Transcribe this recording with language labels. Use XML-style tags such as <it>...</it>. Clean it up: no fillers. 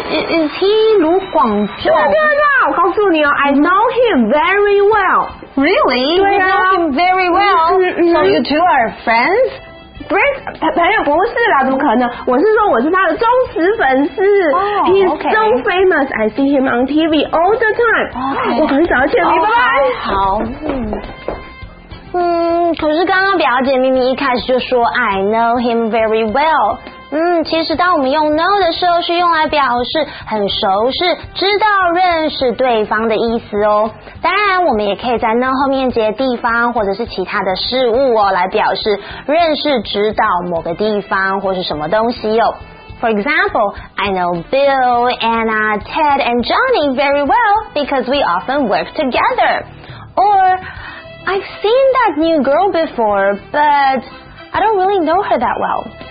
<en>，Is he 卢广仲？</en> <zh>对啊，我告诉你哦，</zh> <en>I know him very well. Really?</en> <zh>对啊</zh> <en>，You know him very well. So you two are friends?</en> <zh>Break 朋友不是啦，怎么可能？我是说我是他的忠实粉丝。</zh> <en>He's so famous. I see him on TV all the time.</en> <zh>我很想要见你，拜拜。好。可是刚刚表姐明明一开始就说</zh> <en>I know him very well。</en> <zh>其实当我们用 know 的时候是用来表示很熟识，知道认识对方的意思哦。当然我们也可以在 know 后面接地方或者是其他的事物哦，来表示认识知道某个地方或是什么东西哦。</zh> <en>For example, I know Bill, Anna, Ted and Johnny very well because we often work together. OrI've seen that new girl before, but I don't really know her that well.</en>